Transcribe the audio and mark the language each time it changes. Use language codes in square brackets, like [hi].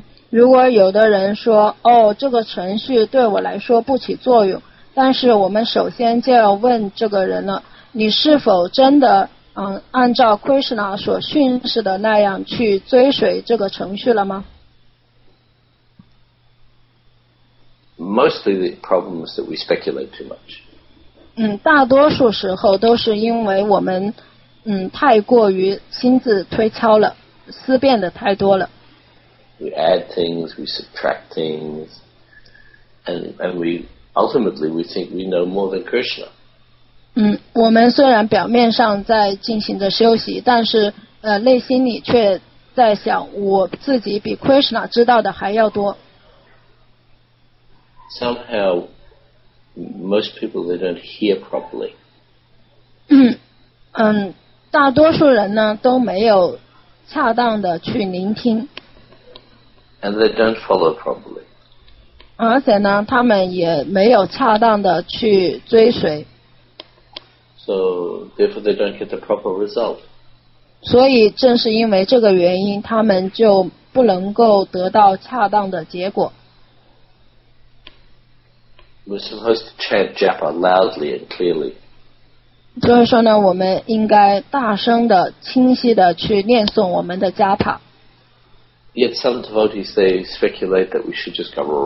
[zh] 如果有的人说哦，这个程序对我来说不起作用，但是我们首先就要问这个人了，你是否真的按照 Krishna 所训示的那样去追随这个程序了吗？ [en] Mostly the problem is that we speculate too much. [zh] 大多数时候都是因为我们太过于亲自推敲了，思辨的太多了。 [en] We add things, we subtract things, and we ultimately we think we know more than Krishna. [zh] 我们虽然表面上在进行着修习，但是内心里却在想我自己比 Krishna 知道的还要多。 [en] Somehow, most people they don't hear properly. [zh] 大多数人呢都没有。恰当的去聆听。 [en] And they don't follow properly. [zh] 而且呢，他们也没有恰当的去追随。 [en] So therefore they don't get the proper result. [zh] 所以正是因为这个原因，他们就不能够得到恰当的结果。 [en] We're supposed to chant japa loudly and clearly. [zh] 就是说呢，我们应该大声的、清晰的去念诵我们的加塔。 [en] Yet some devotees they speculate that we should just go.